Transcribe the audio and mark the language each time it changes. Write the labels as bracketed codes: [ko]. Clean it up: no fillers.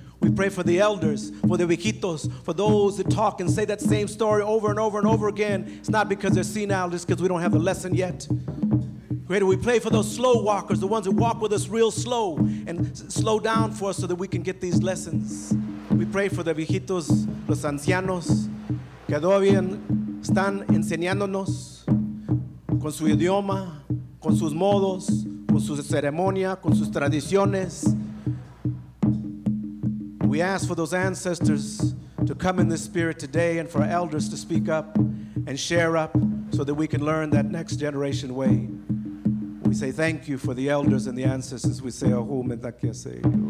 [en] We pray for the elders, for the viejitos, for those that talk and say that same story over and over and over again. It's not because they're senile, it's because we don't have the lesson yet. Creator, we pray for those slow walkers, the ones that walk with us real slow and slow down for us so that we can get these lessons. We pray for the [es] viejitos, los ancianos, que todavía están enseñándonos con su idioma, con sus modos, con su ceremonia, con sus tradiciones. [en] We ask for those ancestors to come in this spirit today and for our elders to speak up and share up so that we can learn that next generation way. We say thank you for the elders and the ancestors. We say, Aho Metakese.